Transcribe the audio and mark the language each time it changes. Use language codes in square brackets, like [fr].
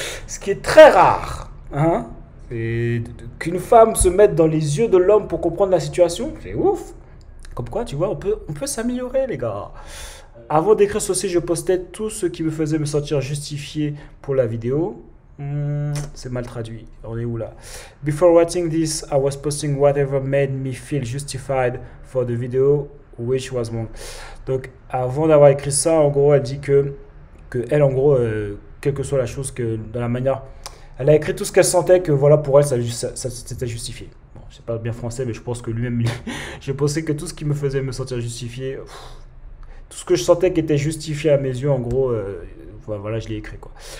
[fr] Ce qui est très rare. Hein? Qu'une femme se mette dans les yeux de l'homme pour comprendre la situation. C'est ouf. Comme quoi, tu vois, on peut s'améliorer, les gars. Avant d'écrire ceci, je postais tout ce qui me faisait me sentir justifié pour la vidéo. C'est mal traduit. On est où là? [en] Before writing this, I was posting whatever made me feel justified for the video, which was wrong. [fr] Donc, avant d'avoir écrit ça, en gros, elle dit que elle, en gros, quelle que soit la chose, que dans la manière, elle a écrit tout ce qu'elle sentait, que voilà, pour elle, ça c'était justifié. Bon, je sais pas bien français, mais je pense que lui-même, je pensais que tout ce qui me faisait me sentir justifié, tout ce que je sentais qui était justifié à mes yeux, en gros, voilà, je l'ai écrit quoi.